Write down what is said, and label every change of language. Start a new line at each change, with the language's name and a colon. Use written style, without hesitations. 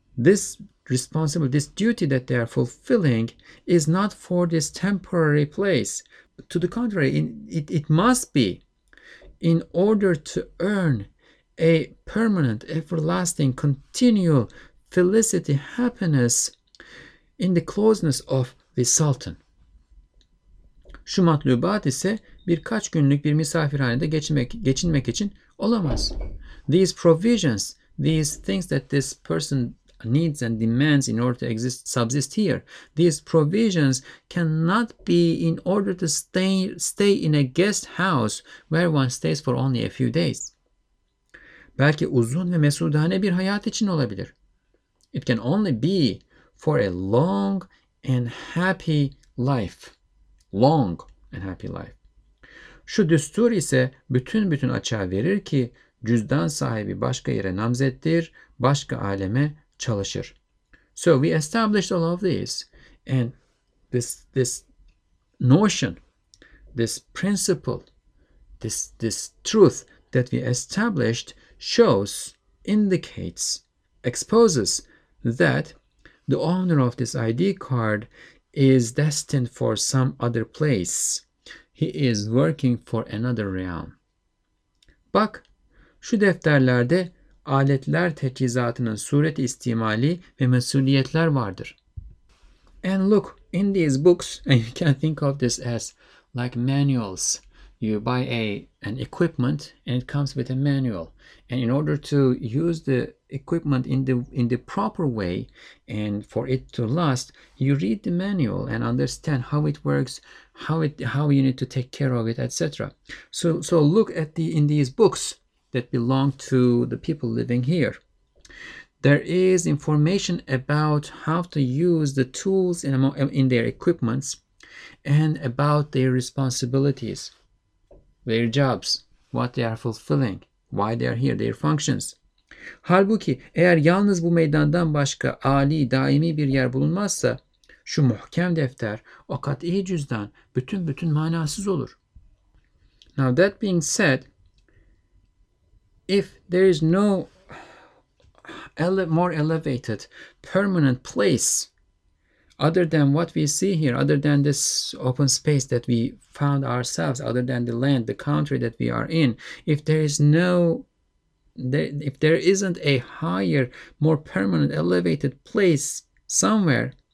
English: this responsibility, this duty that they are fulfilling is not for this temporary place. To the contrary, it must be in order to earn a permanent, everlasting, continual felicity, happiness in the closeness of the Sultan.
Turkish: Şu matlubat ise birkaç günlük bir misafirhanede geçinmek için olamaz.
English: These provisions, these things that this person needs and demands in order to exist, subsist here, these provisions cannot be in order to stay in a guest house where one stays for only a few days.
Turkish: Belki uzun ve mesudane bir hayat için olabilir.
English: It can only be for a long and happy life. Long and happy life.
Turkish: Şu düstur ise bütün açığa verir ki cüzdan sahibi başka yere namzettir, başka aleme çalışır.
English: So we established all of this, and this notion, this principle, this truth that we established shows, indicates, exposes that the owner of this ID card is destined for some other place. He is working for another realm.
Turkish: Bak, şu defterlerde aletler teçhizatının suret istimali ve mesuliyetler vardır.
English: And look, in these books, and you can think of this as like manuals. You buy an equipment and it comes with a manual. And in order to use the equipment in the proper way and for it to last, you read the manual and understand how it works, how you need to take care of it, etc. So look at in these books that belong to the people living here. There is information about how to use the tools in their equipments and about their responsibilities, their jobs, what they are fulfilling, why they are here, their functions.
Turkish: Halbuki eğer yalnız bu meydandan başka âli, daimi bir yer bulunmazsa, şu muhkem defter, o kat'i cüzdan, bütün manasız olur.
English: Now that being said, if there is no more elevated, permanent place other than what we see here, other than this open space that we found ourselves, other than the land, the country that we are in, if there isn't a higher, more permanent, elevated place somewhere,